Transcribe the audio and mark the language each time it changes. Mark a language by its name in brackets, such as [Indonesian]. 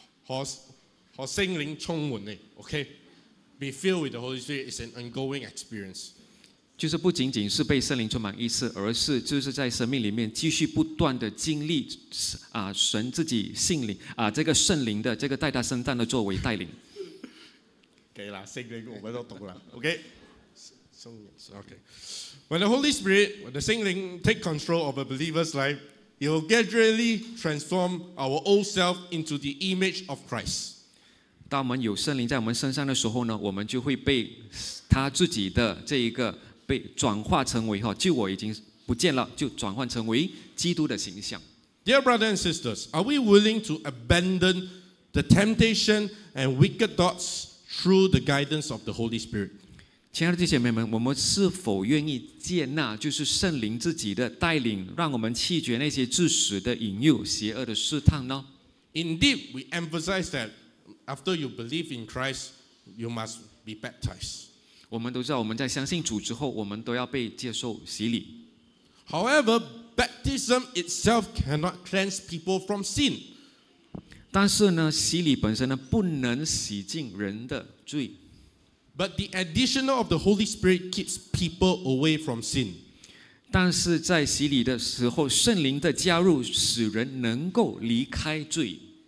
[English] Okay, be filled with the Holy Spirit is an ongoing experience. [Chinese] 就是不仅仅是被圣灵充满一次，而是就是在生命里面继续不断的经历啊神自己圣灵啊这个圣灵的这个带他生长的作为带领。可以啦，圣灵我们都懂了。 [English] Okay. Okay. When the Holy Spirit, when the Sinkling take control of a believer's life, he will gradually transform our old self into the image of Christ. [Chinese] 当我们有圣灵在我们身上的时候呢，我们就会被他自己的这一个被转化成为旧我已经不见了，就转换成为基督的形象。 [English] Dear brothers and sisters, are we willing to abandon the temptation and wicked thoughts through the guidance of the Holy Spirit? [Chinese] 亲爱的弟兄姐妹们，我们是否愿意接纳就是圣灵自己的带领，让我们弃绝那些致死的引诱、邪恶的试探呢？ [English] Indeed, we emphasize that after you believe in Christ, you must be baptized. [Chinese] 我们都知道我们在相信主之后，我们都要被接受洗礼。 [English] However, baptism itself cannot cleanse people from sin. [Chinese] 但是呢，洗礼本身呢，不能洗净人的罪。 [English] But the addition of the Holy Spirit keeps people away from sin. [Chinese] 但是在洗礼的时候，圣灵的加入使人能够离开罪。